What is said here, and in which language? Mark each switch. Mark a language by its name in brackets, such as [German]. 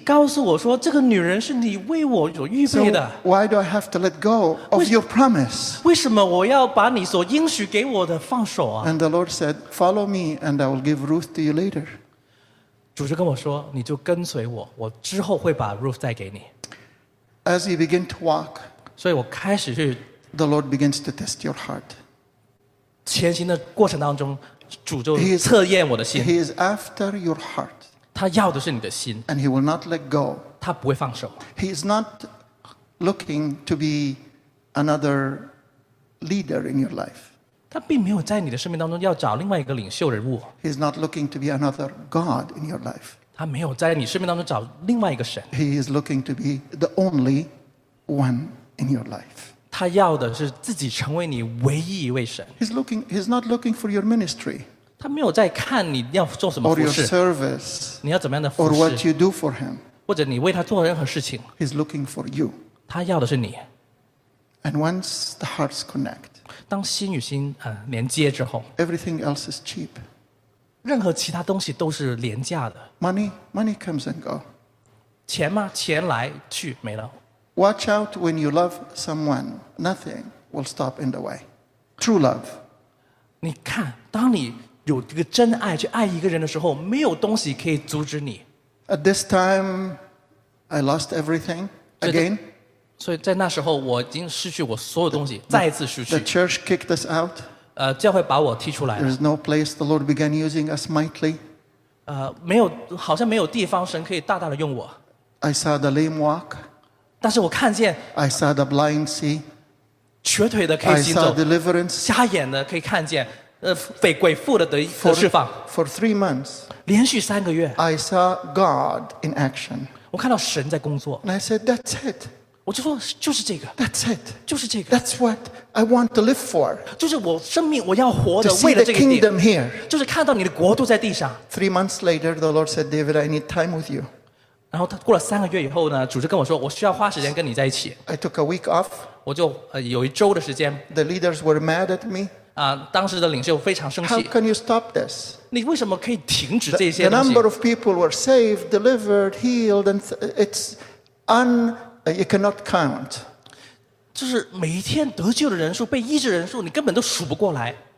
[Chinese] 说主啊，你自己告诉我说这个女人是你为我所预备的。 [English] So why do I have to let go of your promise? [Chinese] 为什么我要把你所应许给我的放手啊？ [English] And the Lord said, follow me and I will give Ruth to you later. [Chinese] 主就跟我说，你就跟随我，我之后会把Ruth再给你。 [English] As you begin to walk, [Chinese] 所以我开始去, [English] the Lord begins to test your heart. [Chinese] 前行的过程当中, 主就测验我的心。 [English] He is after your heart. [Chinese] 他要的是你的心, [English] and He will not let go. [Chinese] 他不会放手。 [English] He is not looking to be another leader in your life. [Chinese] 他并没有在你的生命当中要找另外一个领袖人物。 [English] He is not looking to be another God in your life. [Chinese] 他没有在你生命当中找另外一个神。 [English] He is looking to be the only one in your life. [Chinese] 他要的是自己成为你唯一一位神。 [English] He's not looking for your ministry. [Chinese] 他没有在看你要做什么服事, [English] or your service, [Chinese] 你要怎么样的服事, [English] or what you do for him. [Chinese] 或者你为他做任何事情, [English] he's looking for you. [Chinese] 他要的是你。 [English] And once the hearts connect, [Chinese] 当心与心, 连接之后, [English] everything else is cheap. [Chinese] 任何其他东西都是廉价的。 [English] Money comes and go. [Chinese] 钱吗？钱来去没了。 [English] Watch out when you love someone. Nothing will stop in the way. True love. [Chinese] 你看，当你有这个真爱去爱一个人的时候，没有东西可以阻止你。 [English] At this time, I lost everything again. [Chinese] 所以在那时候，我已经失去我所有东西，再一次失去。 [English] The church kicked us out. [Chinese] 教会把我踢出来了。 [English] There's no place the Lord began using us mightily. [Chinese] 没有，好像没有地方神可以大大的用我。 [English] I saw the lame walk. [Chinese] 但是我看见。 [English] I saw the blind see. [Chinese] 瘸腿的可以行走。 [English] I saw deliverance. [Chinese] 瞎眼的可以看见。鬼附的得释放。 [English] For 3 months, [Chinese] 连续三个月 [English] I saw God in action. [Chinese] 我看到神在工作。 [English] And I said, "That's it." [Chinese] 我就说就是这个。 [English] That's it. [Chinese] 就是这个。 [English] That's what I want to live for. [Chinese] 就是我生命我要活的。 [English] To see [Chinese] 为了这个地 [English] the kingdom here. [Chinese] 就是看到你的国度在地上。 [English] 3 months later, the Lord said, "David, I need time with you." [Chinese] 然后他过了三个月以后呢，主就跟我说，我需要花时间跟你在一起。 [English] I took a week off. [Chinese] 我就有一周的时间。 [English] The leaders were mad at me. [Chinese] 当时的领袖非常生气。 [English] How can you stop this? [Chinese] 你为什么可以停止这些东西？ [English] The number of people were saved, delivered, healed, and it's you cannot count. [Chinese] 就是每一天得救的人数、被医治人数，你根本都数不过来。